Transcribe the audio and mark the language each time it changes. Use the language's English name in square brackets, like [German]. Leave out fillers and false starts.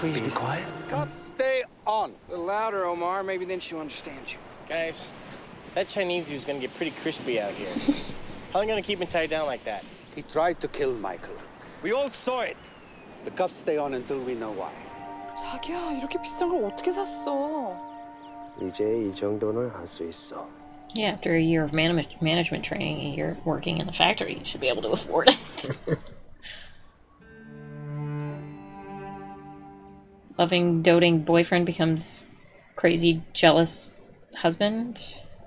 [English] Please to bees. Please be quiet. Cuffs, stay on. A little louder, Omar. Maybe then she'll understand you. Guys, that Chinese dude's gonna get pretty crispy out here. How am I gonna keep him tied down like that? He tried to kill Michael. We all saw it. The cuffs stay on until we know why. [Korean] 자기야, 이렇게 비싼 걸 어떻게 샀어? 이제 이 정도는 할 수 있어. [English] Yeah, after a year of management training, a year working in the factory, you should be able to afford it. Loving, doting boyfriend becomes crazy, jealous husband.